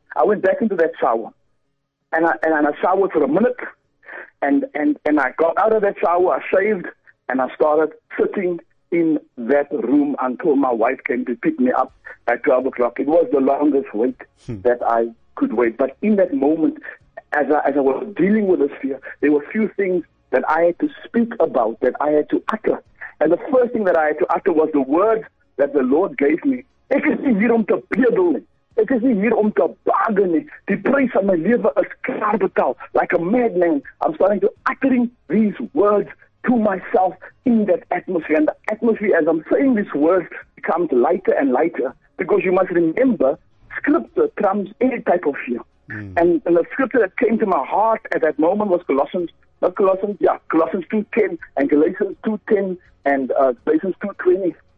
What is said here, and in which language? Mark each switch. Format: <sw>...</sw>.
<en>I went back into that shower, and I showered for a minute, and I got out of that shower, I shaved, and I started sitting in that room until my wife came to pick me up at 12 o'clock. It was the longest wait that I could wait. But in that moment, as I was dealing with this fear, there were a few things that I had to speak about, that I had to utter. And the first thing that I had to utter was the word that the Lord gave me.</en> <af>Ek is nie hier om te bedel nie. Ek is nie hier om te bargain nie. Die prys van my lewe is klaar betaal.</af> <en>Like a madman, I'm starting to uttering these words to myself in that atmosphere. And the atmosphere, as I'm saying these words, becomes lighter and lighter. Because you must remember, scripture trumps any type of fear. And the scripture that came to my heart at that moment was Colossians 2:10 and Galatians 2:10 and Galatians 2:20.</en>